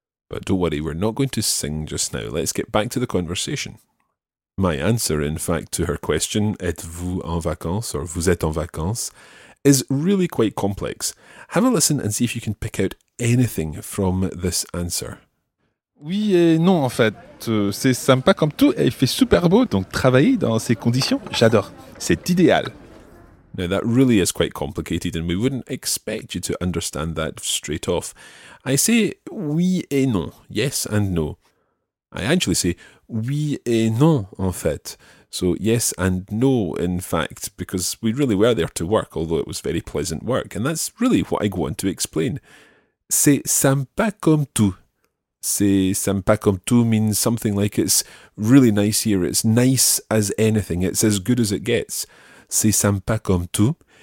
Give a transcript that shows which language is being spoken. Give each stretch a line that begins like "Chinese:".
English: But don't worry, we're not going to sing just now. Let's get back to the conversation. My answer, in fact, to her question,
French: êtes-vous en vacances
English: or
French: vous êtes en vacances,
English: is really quite complex. Have a listen and see if you can pick out anything from this answer.
French: Oui et non, en fait. C'est sympa comme tout et il fait super beau, donc travailler dans ces conditions, j'adore. C'est idéal.
English: Now that really is quite complicated and we wouldn't expect you to understand that straight off. I say
French: oui et non,
English: yes and no. I actually say
French: oui et non, en fait.
English: So yes and no, in fact, because we really were there to work, although it was very pleasant work. And that's really what I go on to explain.
French: C'est sympa comme tout. C'est sympa comme tout
English: means something like it's really nice here. It's nice as anything. It's as good as it gets.
French: C'est sympa comme tout.